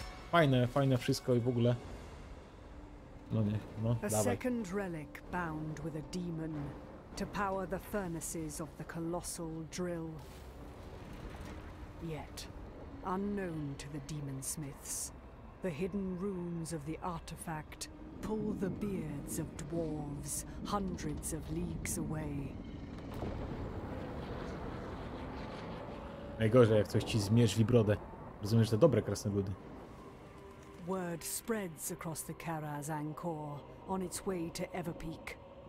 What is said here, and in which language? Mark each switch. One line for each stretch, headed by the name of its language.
Polish: Fajne, fajne wszystko i w ogóle. No nie, no, dawaj.
English: Second relic bound with a demon. To power the furnaces of the colossal drill. Yet, unknown to the demon smiths, the hidden runes of the artifact pull the beards of dwarves hundreds of leagues away.
Polish: Najgorzej, jak coś ci zmierzli brodę. Rozumiesz, że to dobre krasnoludy.
English: Word spreads across the Karaz Angkor on its way to Everpeak.